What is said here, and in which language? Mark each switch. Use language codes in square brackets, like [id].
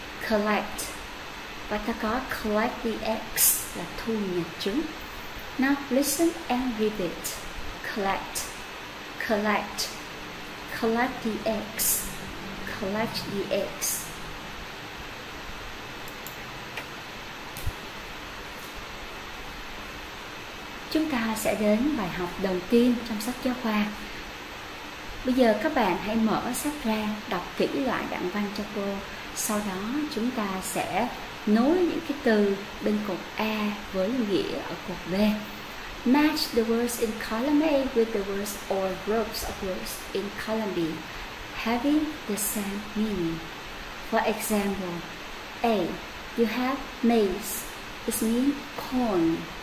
[vi] Collect, và ta có [en] collect the eggs [vi] là thu nhặt trứng. [en] Now listen and repeat. Collect, collect, collect the eggs, collect the eggs. [vi] Chúng ta sẽ đến bài học đầu tiên trong sách giáo khoa. Bây giờ các bạn hãy mở sách ra, đọc kỹ lại đoạn văn cho cô. Sau đó chúng ta sẽ nối những cái từ bên cột A với nghĩa ở cột B. [en] Match the words in column A with the words or groups of words in column B having the same meaning. For example, A, you have maize, it means corn.